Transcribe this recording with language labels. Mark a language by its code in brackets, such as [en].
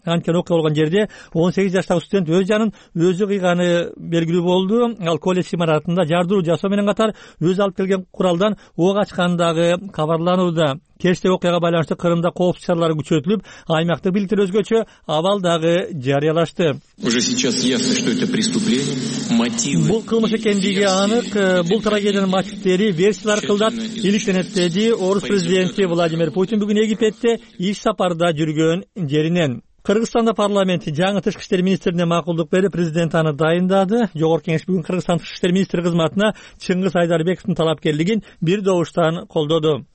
[ky] Анткени окуя болгон жерде 18 жаштагы студент өз жанын өзү кыйганы белгилүү болду. Ал коллеж имаратында жардыруу жасоо менен катар өзү алып келген куралдан ок ачкандагы кабарланууда. Кечтеги окуяга байланыштуу Кырымда коопсуздук чаралары күчөтүлүп, аймактык бийликтер өзгөчө абал дагы жарыялашты. [ru] Уже сейчас ясно, что это преступление. [ky] Бул кылмыш экендиги анык. Бул трагедиянын мотивдери, версиялар кылдат иликтенет, деди Орус президенти Владимир Путин бүгүн Египетте иш сапарда жүргөн жеринен. Кыргызстанда парламент жаңы тышкы иштер министрине макулдук берип, президент аны дайындады. Жогорку кеңеш бүгүн Кыргызстан тышкы иштер министри кызматына Чыңгыз Айдарбековдун талапкерлигин бир добуштан колдоду.